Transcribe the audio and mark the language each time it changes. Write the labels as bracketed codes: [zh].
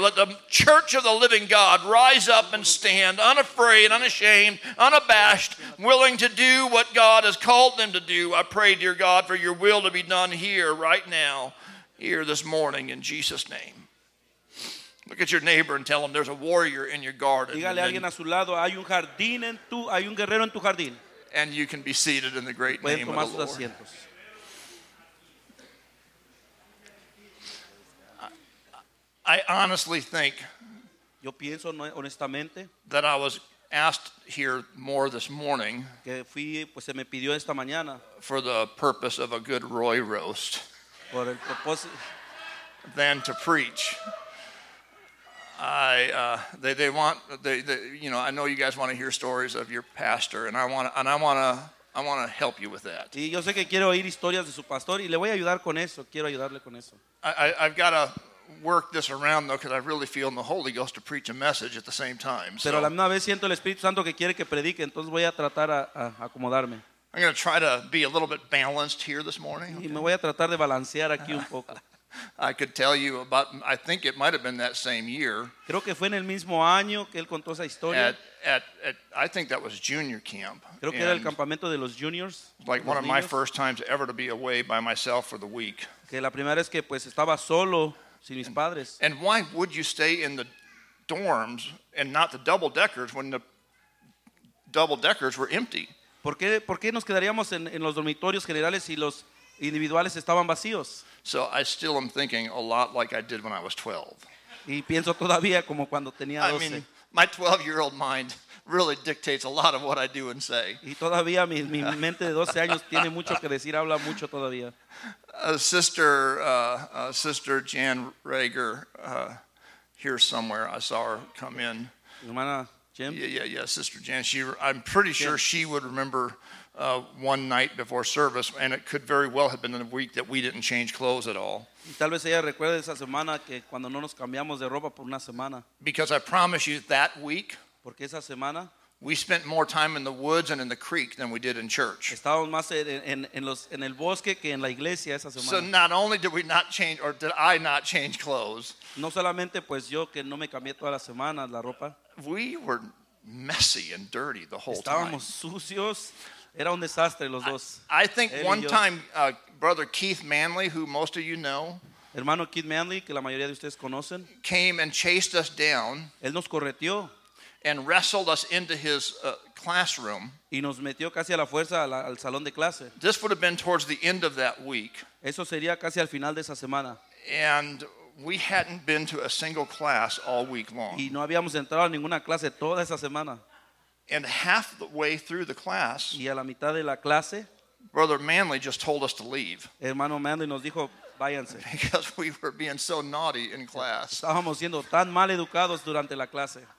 [en] Let the church of the living God rise up and stand unafraid, unashamed, unabashed, willing to do what God has called them to do. I pray, dear God, for your will to be done here right now, here this morning, in Jesus' name. Look at your neighbor and tell him there's a warrior in your garden. [es] Dígale a alguien a su lado, hay un jardín en tu, hay un guerrero en tu jardín. [en] And you can be seated in the great name of the Lord. [es] Asientos. [en] I honestly think [es] yo pienso honestamente [en] that I was asked here more this morning [es] que fui, pues, se me pidió esta mañana [en] for the purpose of a good Roy roast [es] por el propósito [en] than to preach. I know you guys want to hear stories of your pastor, and I want to help you with that. [es] Y yo sé que quiero oír historias de su pastor y le voy a ayudar con eso. Quiero ayudarle con eso. [en] I've got to work this around though, because I really feel in the Holy Ghost to preach a message at the same time. [es] Pero la misma vez siento el Espíritu Santo que quiere que predique, entonces voy a tratar a acomodarme. [en] I'm going to try to be a little bit balanced here this morning. [es] Y me voy a tratar de balancear aquí un poco. [en] I could tell you about, I think it might have been that same year. [es] Creo que fue en el mismo año que él contó esa historia. [en] At I think that was junior camp. [es] Creo que era el campamento de los juniors. [en] Like one of my first times ever to be away by myself for the week. [es] Que la primera vez que pues estaba solo sin mis padres. [en] And why would you stay in the dorms and not the double deckers when the double deckers were empty? [es] ¿Por qué nos quedaríamos en los dormitorios generales si los individuales estaban vacíos? [en] So I still am thinking a lot like I did when I was 12. [es] Y pienso todavía como cuando tenía 12. [en] I mean, my 12-year-old mind really dictates a lot of what I do and say. [es] Y todavía mi mente de 12 años tiene mucho que decir, habla mucho todavía. [en] Sister Jan Rager, here somewhere, I saw her come in. [es] Hermana Jim? [en] Yeah, Sister Jan. I'm pretty sure she would remember one night before service, and it could very well have been in a week that we didn't change clothes at all. [es] Tal vez ella recuerde esa semana que cuando no nos cambiamos de ropa por una semana. [en] Because I promise you, that week, [es] porque esa semana, [en] we spent more time in the woods and in the creek than we did in church. [es] Estábamos más en el bosque que en la iglesia esa semana. [en] So not only did we not change, or did I not change clothes? [es] No solamente pues yo que no me cambié toda la semana la ropa. [en] We were messy and dirty the whole [es] estábamos [en] time. [es] Estábamos sucios. Era un desastre, los dos. [en] I think one time, Brother Keith Manley, who most of you know, [es] hermano Keith Manley, que la mayoría de ustedes conocen, [en] came and chased us down. [es] Él nos correteó [en] and wrestled us into his classroom. [es] Y nos metió casi a la fuerza al salón de clase. [en] This would have been towards the end of that week. [es] Eso sería casi al final de esa semana. [en] And we hadn't been to a single class all week long. [es] Y no habíamos entrado a ninguna clase toda esa semana. [en] And half the way through the class, [es] y a la mitad de la clase, [en] Brother Manley just told us to leave. [es] Hermano Manley nos dijo, váyanse. [en] Because we were being so naughty in class. [es] Estábamos siendo tan mal educados durante la clase.